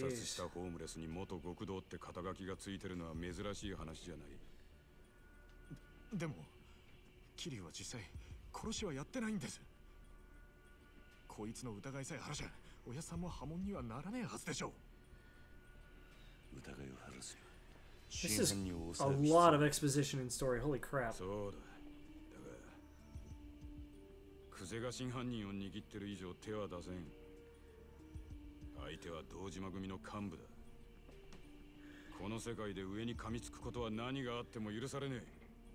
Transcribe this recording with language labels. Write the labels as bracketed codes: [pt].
[ja] 自殺したホームレスに元極道って肩書きがついてるのは珍しい話じゃない。でも、キリュウは実際殺しはやってないんです。こいつの疑いさえ晴らしゃ、おやさんも波紋にはならねえはずでしょう。疑いを晴らすよ。 [en] This is a lot of exposition in story. Holy crap. [ja] そうだ。だが、クゼが真犯人を握ってる以上手は出せん。相手は道島組の幹部だ。この世界で上に噛みつくことは何があっても許されねえ。